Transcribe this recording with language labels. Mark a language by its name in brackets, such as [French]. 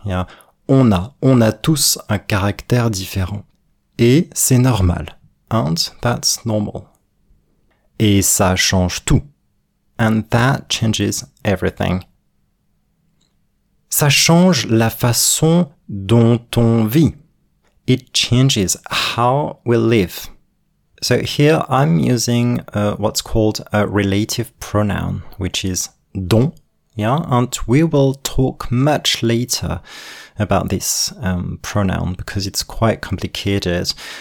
[English] Yeah? [French] On a tous un caractère différent. Et c'est normal. [English] And that's normal. [French] Et ça change tout. [English] And that changes everything. [French] Ça change la façon dont on vit. [English] It changes how we live. So here I'm using what's called a relative pronoun, which is don. Yeah, and we will talk much later about this pronoun because it's quite complicated.